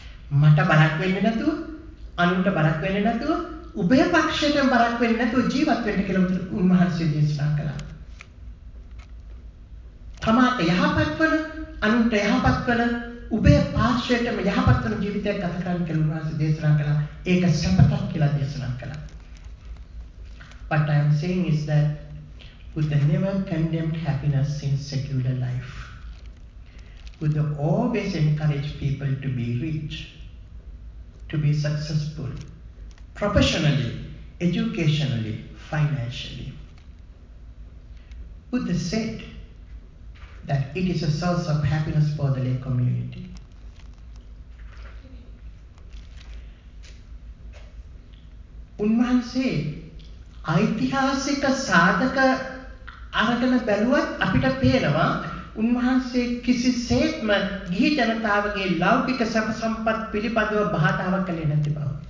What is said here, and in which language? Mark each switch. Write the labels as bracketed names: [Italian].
[Sinhala] මට බරක් වෙන්නේ නැතුව, අනුන්ට බරක් වෙන්නේ නැතුව, උභයපක්ෂයෙන් බරක් වෙන්නේ නැතුව ජීවත් වෙන්න කියලා උන්වහන්සේ දේශනා කළා. තමාට යහපත් වන, අනුන්ට යහපත් වන, උභයපක්ෂයෙන්ම යහපත් වන ජීවිතයක් ගත කරන්න කියලා උන්වහන්සේ දේශනා කළා. ඒක සම්පතක් කියලා දේශනා කළා. [English] But I am saying is that Buddha never condemned happiness in secular life. Buddha always encouraged people to be rich, to be successful, professionally, educationally, financially. Buddha said that it is a source of happiness for the lay community. [Sinhala] Unmahansay, ඓතිහාසික සාධක අරගෙන බැලුවත් අපිට පේනවා උන්වහන්සේ කිසිසේත්ම ගිහි ජනතාවගේ ලෞකික සැප සම්පත් පිළිබඳව බාධාවක් කළේ නැති බව.